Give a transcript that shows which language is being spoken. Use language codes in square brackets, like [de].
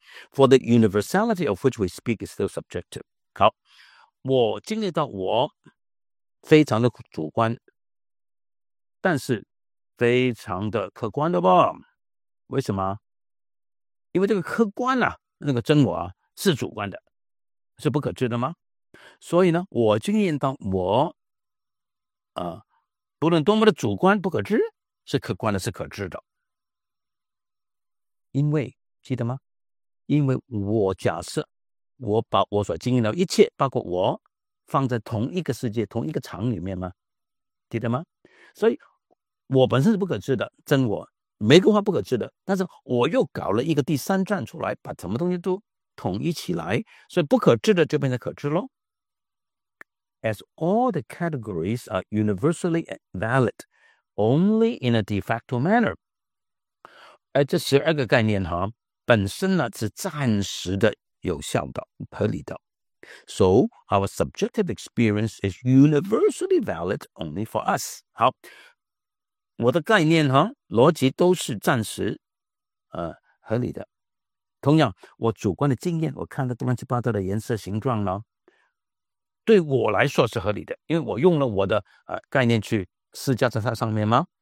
[en] For the universality of which we speak is still subjective. [zh] 好，我经历到我非常的主观，但是非常的客观的吧？为什么？因为这个客观啊，那个真我啊，是主观的，是不可知的吗？所以呢，我经验到我，不论多么的主观不可知，是客观的，是可知的。因为记得吗？因为我假设我把我所经验到一切，包括我，放在同一个世界、同一个场里面吗？记得吗？所以，我本身是不可知的真我，玫瑰花不可知的，但是我又搞了一个第三站出来，把什么东西都统一起来，所以不可知的就变成可知咯。 [en] As all the categories are universally valid, only in a de facto manner. [zh] 哎，这十二个概念哈，本身呢是暂时的、有效的、合理的。 [en] So our subjective experience is universally valid only for us. [zh] 好，我的概念哈，逻辑都是暂时、合理的。同样，我主观的经验，我看到乱七八糟的颜色、形状呢。对我来说是合理的，因为我用了我的、概念去施加在它上面吗？